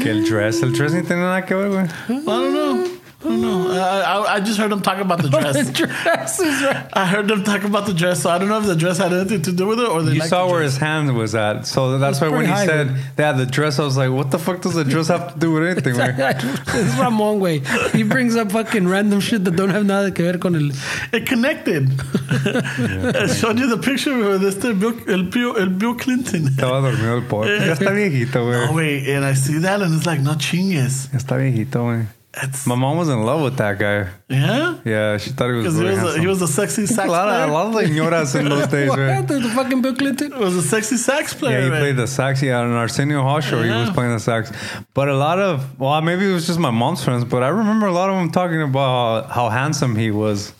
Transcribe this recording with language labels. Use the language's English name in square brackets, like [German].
[Spanish] Que el dress ni tiene nada que ver, güey. [English] I don't know. I just heard them talk about the dress. The dress is right. I heard them talk about the dress, so I don't know if the dress had anything to do with it or they. You saw where his hand was at, so that's why when he said they had the dress, I was like, "What the fuck does the dress have to do with anything?" It's Ramon way. He brings up fucking random shit that don't have [Spanish] nada que ver con el. [English] It connected. Yeah, I showed you the picture of this Bill Clinton. [Spanish] Estaba dormido el pobre. Ya está viejito, güey. [English] No, wait, and I see that, and it's like [Spanish] no chingues. Está viejito, güey. [English] My mom was in love with that guy. Yeah? Yeah, she thought he was a sexy sax player. A lot of señoras in those days, what? Right? The fucking Bill Clinton was a sexy sax player. Yeah, he played the sax. Yeah, on Arsenio Hall show, he was playing the sax. But a lot of, well, maybe it was just my mom's friends, but I remember a lot of them talking about how handsome he was.